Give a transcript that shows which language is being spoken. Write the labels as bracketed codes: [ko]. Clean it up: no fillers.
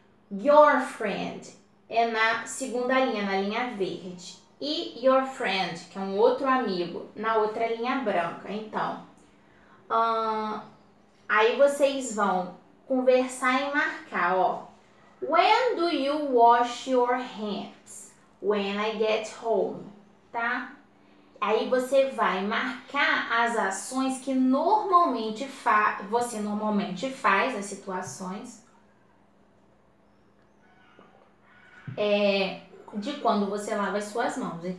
[en] Your friend [pt] é na segunda linha, na linha verde. E [en] your friend, [pt] que é um outro amigo, na outra linha branca. Então, aí vocês vão conversar e marcar, ó. [en] When do you wash your hands? When I get home, tá? [pt] Aí você vai marcar as ações que normalmente você normalmente faz, as situações, de quando você lava as suas mãos.